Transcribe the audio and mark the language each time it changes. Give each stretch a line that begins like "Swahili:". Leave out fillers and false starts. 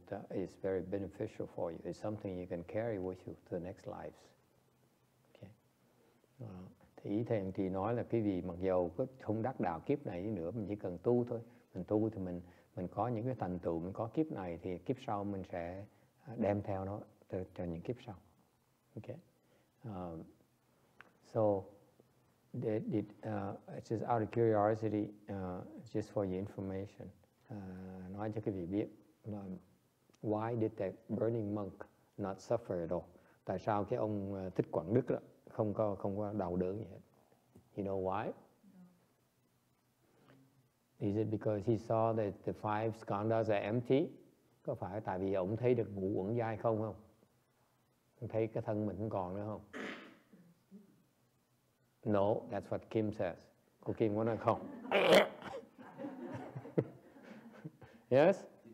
English: It's very beneficial for you. It's something you can carry with you to the next lives. Okay.
Vietnamese: Thì ý thầy thì nói là quý vị mặc dù có không đắc đạo kiếp này nữa, mình chỉ cần tu thôi. Mình tu thì mình có những cái thành tựu, mình có kiếp này thì kiếp sau mình sẽ đem theo nó cho những kiếp sau. Okay.
English: So it's just out of curiosity, just for your information.
Vietnamese: nói cho cái vị biết là
English: why did that burning monk not suffer at all?
Vietnamese: Tại sao cái ông Thích Quảng Đức đó không có đau đớn gì hết?
English: You know why? Is it because he saw that the five skandhas are empty?
Vietnamese: Có phải tại vì ông thấy được ngũ uẩn giai không không? Ông thấy cái thân mình không còn nữa không?
English: No, that's what Kim says.
Vietnamese: Cô Kim có nói không?
English: Yes?